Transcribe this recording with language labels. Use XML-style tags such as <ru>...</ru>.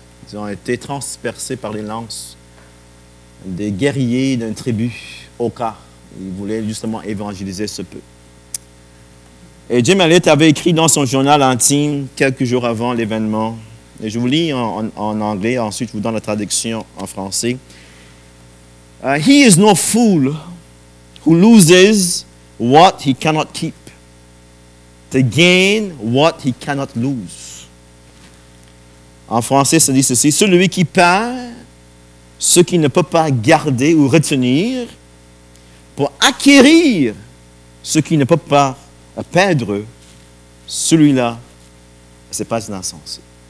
<fr>Ils ont été transpercés par les lances des guerriers d'une tribu, Oka. Ils voulaient justement évangéliser ce peuple. Et Jim Elliot avait écrit dans son journal intime quelques jours avant l'événement. Et je vous lis en anglais, ensuite je vous donne la traduction en français.</fr> <en>He is no fool who loses what he cannot keep. To gain what he cannot lose.</en> <fr>En français, ça dit ceci, celui qui perd ce qu'il ne peut pas garder ou retenir pour acquérir ce qu'il ne peut pas perdre, celui-là, ce n'est pas un insensé.</fr>